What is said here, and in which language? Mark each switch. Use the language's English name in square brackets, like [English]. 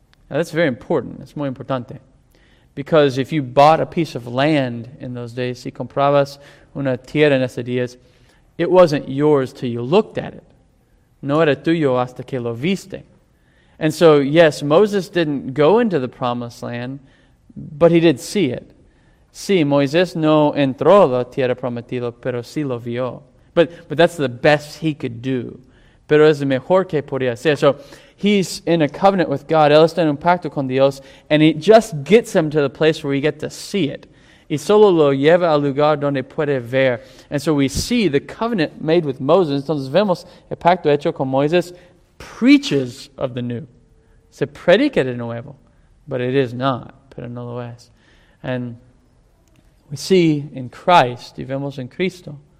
[English] Now that's very important. It's [Spanish] muy importante. [English] Because if you bought a piece of land in those days, [Spanish] si comprabas una tierra en esos días, [English] it wasn't yours till you looked at it. [Spanish] No era tuyo hasta que lo viste. [English] And so, yes, Moses didn't go into the promised land, but he did see it. [Spanish] Sí, Moisés no entró a la tierra prometida, pero sí lo vio. [English] But that's the best he could do. [Spanish] Pero es mejor que podía hacer. [English] So, he's in a covenant with God. [Spanish] Él está en un pacto con Dios. [English] And it just gets him to the place where you get to see it. [Spanish] Y solo lo lleva al lugar donde puede ver. [English] And so we see the covenant made with Moses. [Spanish] Entonces vemos el pacto hecho con Moisés. [English] Preaches of the new. [Spanish] Se predica de nuevo. [English] But it is not. [Spanish] Pero no lo es. [English] And we see in Christ. [Spanish] Y vemos en Cristo.